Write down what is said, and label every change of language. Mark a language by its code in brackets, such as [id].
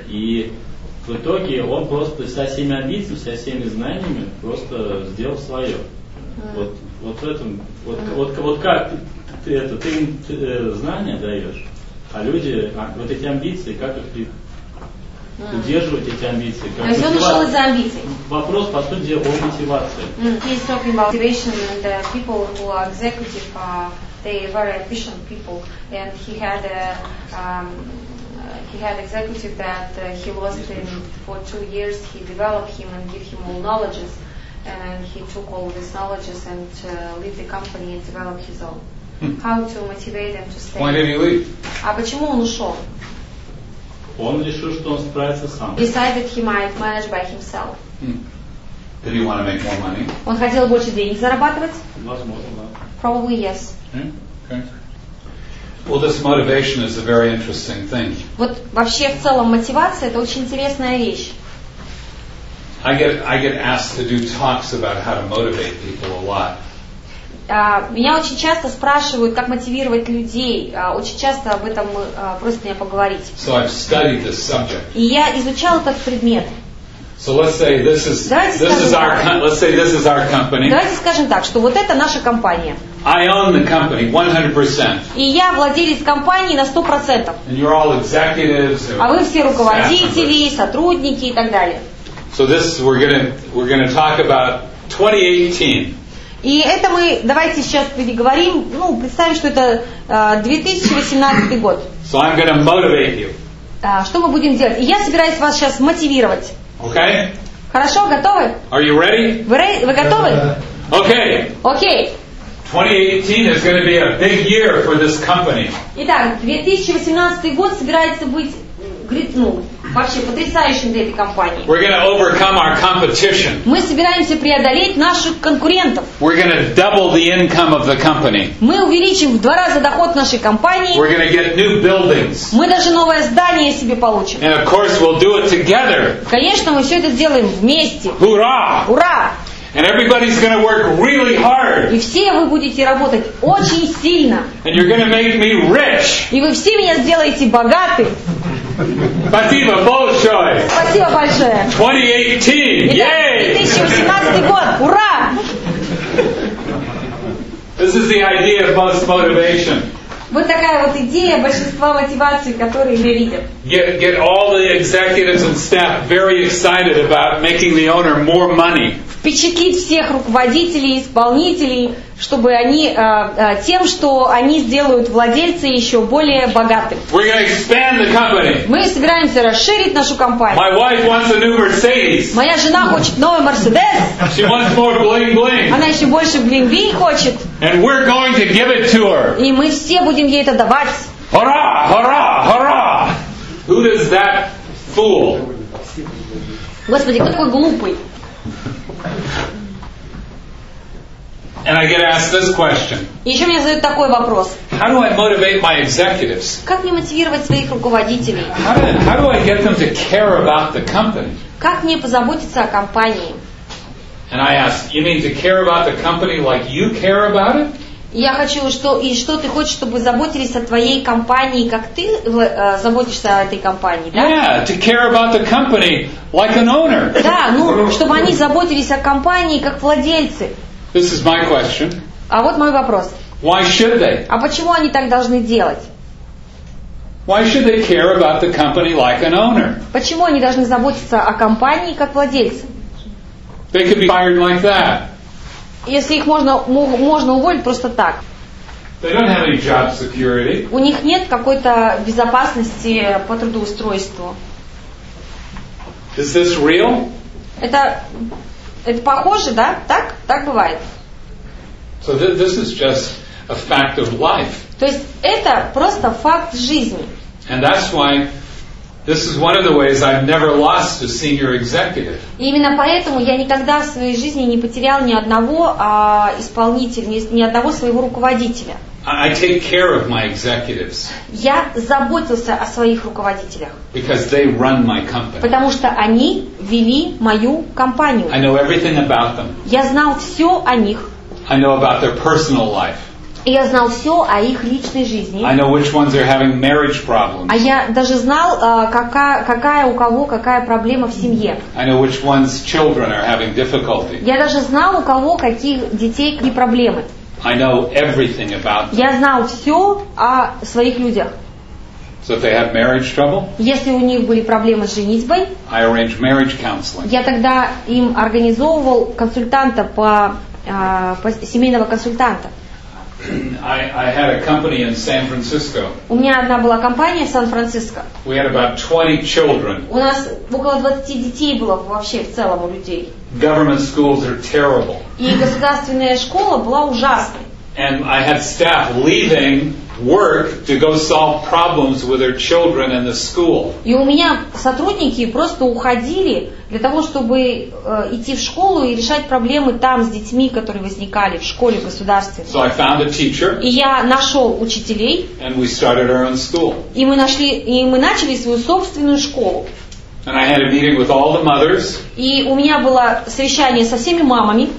[ru] И в итоге он просто со всеми амбициями, со всеми знаниями просто сделал свое. Вот в этом, вот как ты знания даешь, а люди, вот эти амбиции, как их удерживать, эти амбиции? То есть он ушел из-за амбиций? Вопрос, по сути дела, о мотивации. [en] He's talking about motivation and the people who are executive, they are very efficient people, and he had executive that he lost him for 2 years, he developed him and give him all knowledge. And then he took all these knowledges and leave the company and develop his own. How to motivate him to stay? Why did he leave? [ru] А почему он ушел? Он решил, что он справится сам. [en] Decided he might manage by himself. Did he want to make more money? [ru] Он хотел больше денег зарабатывать? Возможно, да. [en] Probably yes. Okay. Well, this motivation is a very interesting thing. [ru] Вот вообще в целом мотивация — это очень интересная вещь. [en] I get asked to do talks about how to motivate people a lot. [ru] Меня очень часто спрашивают, как мотивировать людей. Очень часто об этом просят меня поговорить. [en] So I've studied this subject. [ru] И я изучал этот предмет. [en] So let's say this is our company. [ru] Давайте скажем так, что вот это наша компания. [en] I own the company 100%. [ru] И я владелец компании на 100%. [en] And you're all executives. [ru] А вы все руководители, сотрудники и так далее. [en] So this we're gonna talk about 2018. [ru] И это мы давайте сейчас переговорим, ну представим, что это 2018 год. [en] So I'm gonna motivate you. [ru] Что мы будем делать? Я собираюсь вас сейчас мотивировать. [en] Okay. [ru] Хорошо, готовы? [en] Are you ready? [ru] Вы готовы? [en] Okay. Okay. 2018 is gonna be a big year for this company. [ru] Итак, 2018 год собирается быть гритнул. Вообще потрясающим для этой компании. [en] We're gonna overcome our competition. [ru] Мы собираемся преодолеть наших конкурентов. [en] We're gonna double the income of the company. [ru] Мы увеличим в 2 раза доход нашей компании. [en] We're gonna get new buildings. [ru] Мы даже новое здание себе получим. [en] And of course we'll do it together. [ru] Конечно, мы все это сделаем вместе. Ура! Ура! [en] And everybody's gonna work really hard. [ru] И все вы будете работать очень сильно. [en] And you're gonna make me rich. [ru] И вы все меня сделаете богатым. Спасибо большое. Спасибо большое. 2018. Итак, 2018 год. Ура! [en] This is the idea of most motivation. [ru] Вот такая вот идея большинства мотиваций, которые мы видим. [en] Get all the executives and staff very excited about making the owner more money. [ru] впечатлить всех руководителей, исполнителей, чтобы они тем, что они сделают владельца еще более богатым. [en] We're gonna expand the company. [ru] Мы собираемся расширить нашу компанию. [en] My wife wants a new Mercedes. [ru] Моя жена хочет новый Mercedes. [en] She wants more bling-bling. [ru] Она еще больше блин-блин хочет. [en] And we're going to give it to her. [ru] И мы все будем ей это давать. [en] Hurra! Hurra! Hurra! Who does that fool? [ru] Господи, какой глупый! [en] And I get asked this question. [ru] Еще мне задают такой вопрос. [en] How do I motivate my executives? [ru] Как мне мотивировать своих руководителей? [en] How do I get them to care about the company? [ru] Как мне позаботиться о компании? [en] And I ask, you mean to care about the company like you care about it? [ru] Я хочу, что и что ты хочешь, чтобы заботились о твоей компании, как ты заботишься о этой компании, да? [en] Yeah, to care about the company like an owner. [ru] Да, ну, чтобы они заботились о компании как владельцы. [en] This is my question. [ru] А вот мой вопрос. [en] Why should they? [ru] А почему они так должны делать? [en] Why should they care about the company like an owner? [ru] Почему они должны заботиться о компании как владельцы? [en] They could be fired like that. [ru] Если их можно уволить просто так. [en] They don't have any job security. [ru] У них нет какой-то безопасности по трудоустройству. [en] Is this real? [ru] Это похоже, да? Так бывает. [en] So this is just a fact of life. [ru] То есть это просто факт жизни. [en] And that's why this is one of the ways I've never lost a senior executive. [ru] Именно поэтому я никогда в своей жизни не потерял ни одного исполнителя, ни одного своего руководителя. [en] I take care of my executives. [ru] Я заботился о своих руководителях. [en] Because they run my company. [ru] Потому что они вели мою компанию. [en] I know everything about them. [ru] Я знал все о них. [en] I know about their personal life. [ru] Я знал все о их личной жизни. [en] I know which ones are having marriage problems. [ru] А я даже знал, какая у кого какая проблема в семье. [en] I know which ones children are having difficulty. [ru] Я даже знал, у кого каких детей какие проблемы. [en] I know everything about them. [ru] Я знал все о своих людях. [en] So if they have marriage trouble? [ru] Если у них были проблемы с женитьбой, [en] I arrange marriage counseling. [ru] Я тогда им организовывал консультанта по семейного консультанта. [en] I had a company in San Francisco. [ru] У меня одна была компания в Сан-Франциско. [en] We had about 20 children. [ru] У нас около 20 детей было вообще в целом у людей. [en] Government schools are terrible. [ru] И государственная школа была ужасной. [en] And I had staff leaving work to go solve problems with their children in the school. [ru] И у меня сотрудники просто уходили для того, чтобы идти в школу и решать проблемы там с детьми, которые возникали в школе государственной. [en] So I found a teacher. [ru] И я нашел учителей. [en] And we started our own school. [ru] И мы начали свою собственную школу. [en] And I had a meeting with all the mothers. [ru] И у меня было совещание со всеми мамами.